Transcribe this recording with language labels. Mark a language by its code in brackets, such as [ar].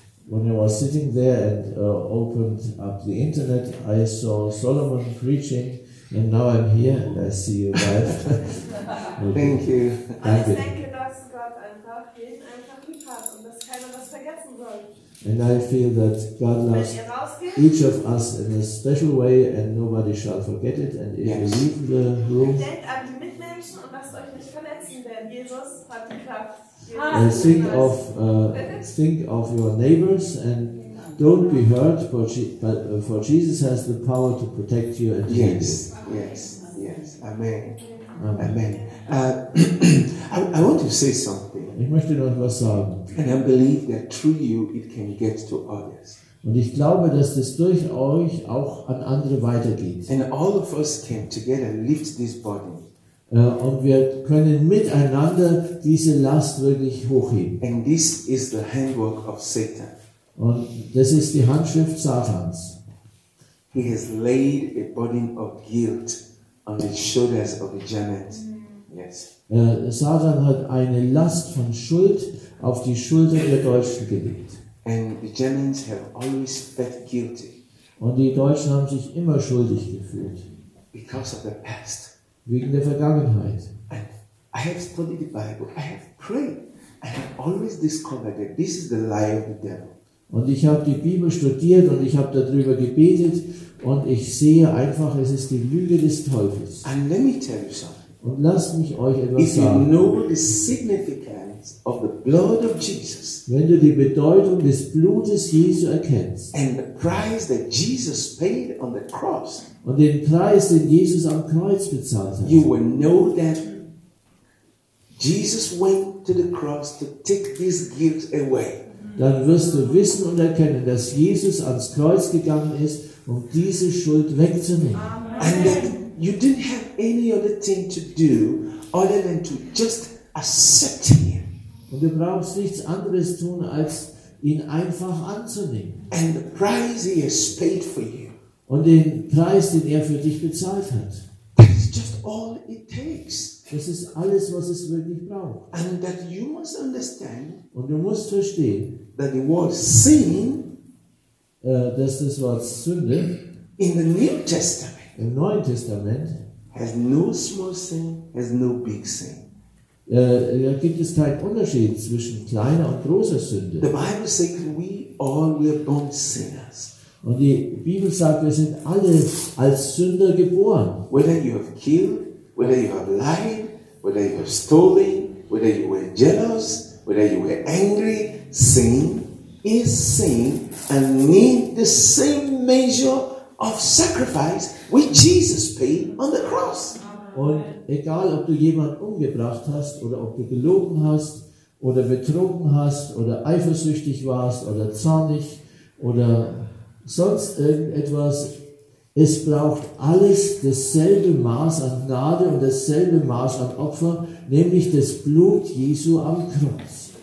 [en] When I was sitting there and opened up the internet, I saw Solomon preaching, and now I'm here and I see you live. Thank you. [de] Und ich denke, dass Gott einfach jeden einfach lieb hat und dass keiner das vergessen soll. [en] And I feel that God loves each of us in a special way, and nobody shall forget it. And if you leave the room, and think of your neighbors, and don't be hurt, for Jesus has the power to protect you and heal you. Yes, yes, yes. Amen. Amen. I want to say something. [de] Ich möchte noch was sagen. [en] And I believe that through you it can get to others. [de] Und ich glaube, dass das durch euch auch an andere weitergeht. [en] And all of us can together lift this body. [de] Und wir können miteinander diese Last wirklich hochheben. [en] And this is the handwork of Satan. [de] Und das ist die Handschrift Satans. [en] He has laid a burden of guilt on the shoulders of Janet. Yes. [de] Satan hat eine Last von Schuld auf die Schulter der Deutschen gelegt. [en] And the Germans have always felt guilty. [de] Und die Deutschen haben sich immer schuldig gefühlt. [en] Because of the past. [de] Wegen der Vergangenheit. [en] And I have studied the Bible. I have prayed. I have always discovered that this is the lie of the devil. [de] Und ich habe die Bibel studiert und ich habe darüber gebetet und ich sehe einfach, es ist die Lüge des Teufels. [en] And let me tell you something. [de] Und lasst mich euch etwas [en] If [de] sagen. [en] You know the significance of the blood of Jesus, [de] wenn du die Bedeutung des Blutes Jesu erkennst [en] and the price that Jesus paid on the cross, [de] und den Preis, den Jesus am Kreuz bezahlt hat, [en] you will know that Jesus went to the cross to take this guilt away. [de] Dann wirst du wissen und erkennen, dass Jesus ans Kreuz gegangen ist, um diese Schuld wegzunehmen. [en] And that you didn't have any other thing to do other than to just accept him. [de] Und du brauchst nichts anderes tun, als ihn einfach anzunehmen. [en] And the price he has paid for you. [de] Und den Preis, den er für dich bezahlt hat. [en] That's just all it takes. [de] Das ist alles, was es wirklich braucht. [en] And that you must understand, [de] und du musst verstehen, [en] that the word sin, [de] dass das Wort Sünde [en] in the New Testament, [de] im Neuen Testament [en] has no small sin, has no big sin. [de] Da gibt es keinen Unterschied zwischen kleiner und großer Sünde. [en] The Bible says we all were born sinners. [de] Und die Bibel sagt, wir sind alle als Sünder geboren. [en] Whether you have killed, whether you have lied, whether you have stolen, whether you were jealous, whether you were angry, sin is sin and need the same measure of sacrifice which Jesus paid on the cross. [de] Und egal, ob du jemanden umgebracht hast oder ob du gelogen hast oder betrogen hast oder eifersüchtig warst oder zornig oder sonst irgendetwas, es braucht alles dasselbe Maß an Gnade und dasselbe Maß an Opfer, nämlich das Blut Jesu am Kreuz.